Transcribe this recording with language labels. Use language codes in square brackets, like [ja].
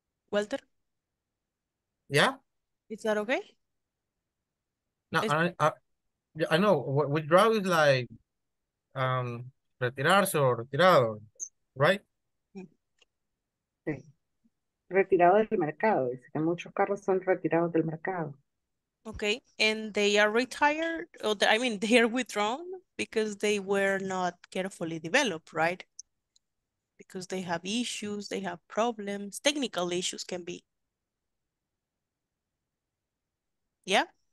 [en] Walter? Yeah. Is that okay? No, I know withdrawal is like retirarse or retirado, right? [es] Sí. Retirado del mercado. Dice que muchos carros son retirados del mercado. [en] Okay, and they are retired, or they, I mean, they are withdrawn because they were not carefully developed, right? Because they have issues, they have problems, technical issues can be. Yeah.